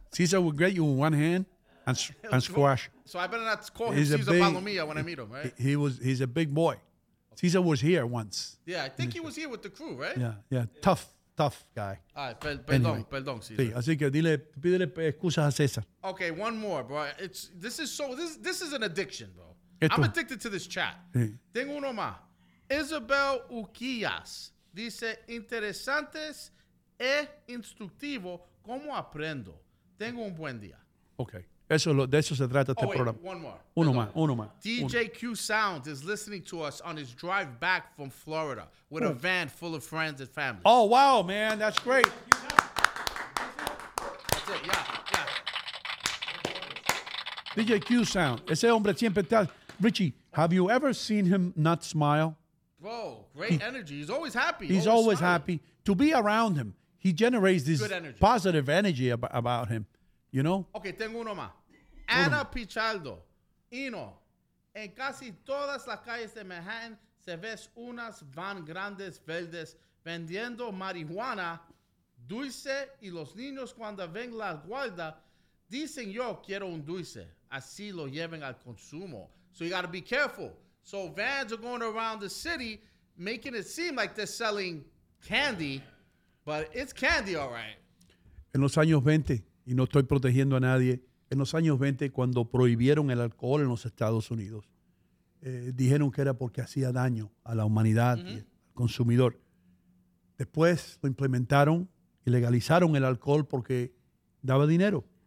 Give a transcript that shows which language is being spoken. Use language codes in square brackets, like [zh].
[en] Caesar will get you in one hand and squash. So I better not call him Caesar Palomilla when I meet him, right? He's a big boy. Okay. Caesar was here once. Yeah, I think he was here with the crew, right? Yeah. Tough guy. [es] Perdón, Caesar. Sí, así que dile, pídele excusas a César. [en] Okay, one more, bro. This is an addiction, bro. Esto. I'm addicted to this chat. Sí. [es] Tengo uno más. [en] Isabel Uquillas. [es] Dice, interesantes e instructivo, ¿cómo aprendo? Tengo un buen día. Ok, de eso se trata este programa. [en] One more. DJ Q Sound is listening to us on his drive back from Florida with a van full of friends and family. Oh, wow, man, that's great. That's it, yeah. [es] DJ Q Sound, ese hombre siempre está... [en] Richie, have you ever seen him not smile? Bro, great energy. He's always happy. He's always happy to be around him. He generates this positive energy about him, you know? [es] Okay, tengo uno más. Ana Pichardo. Hino, en casi todas las calles de Manhattan se ves unas van grandes verdes vendiendo marihuana dulce y los niños cuando ven la guarda dicen yo quiero un dulce. Así lo lleven al consumo. [en] So you got to be careful. So vans are going around the city, making it seem like they're selling candy, but it's candy, all right. [es] En los años 20, y no estoy protegiendo a nadie, en los años 20, cuando prohibieron el alcohol en los Estados Unidos, dijeron que era porque hacía daño a la humanidad, mm-hmm. y al consumidor. Después lo implementaron y legalizaron el alcohol porque daba dinero.